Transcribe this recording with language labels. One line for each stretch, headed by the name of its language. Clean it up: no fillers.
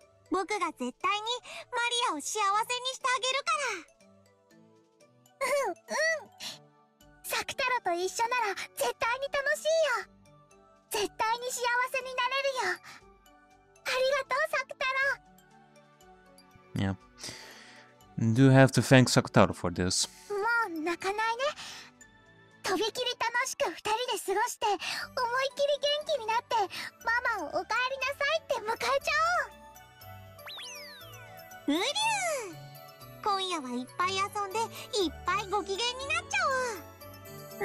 Japanese: 僕が絶対にマリアを幸せにしてあげるから。うんうん、サクタロと一緒なら絶対に楽しいよ。絶対に幸せになれるよ。ありがとうサクタロ。
English: Yeah, do have to thank サクタロ for this.
Japanese: もう泣かないね。とびきり楽しく二人で過ごして、思いっきり元気になって、ママをお帰りなさいって迎えちゃおう。うりゅう、今夜はいっぱい遊んでいっぱいご機嫌になっちゃおう。